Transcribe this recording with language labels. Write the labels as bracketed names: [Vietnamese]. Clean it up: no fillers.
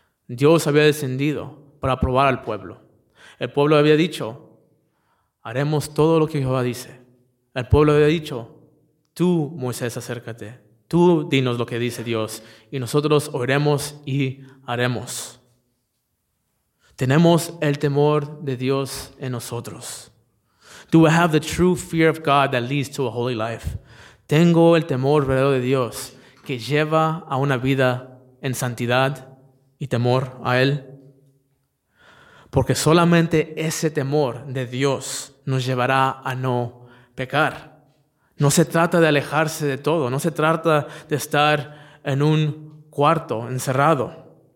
[Spanish] Dios había descendido para probar al pueblo. El pueblo había dicho: haremos todo lo que Jehová dice. El pueblo había dicho, tú, Moisés, acércate. Tú dinos lo que dice Dios y nosotros oiremos y haremos. Tenemos el temor de Dios en nosotros. [English] Do I have the true fear of God that leads to a holy life? [Spanish] Tengo el temor verdadero de Dios que lleva a una vida en santidad y temor a Él. Porque solamente ese temor de Dios nos llevará a no pecar. No se trata de alejarse de todo. No se trata de estar en un cuarto encerrado.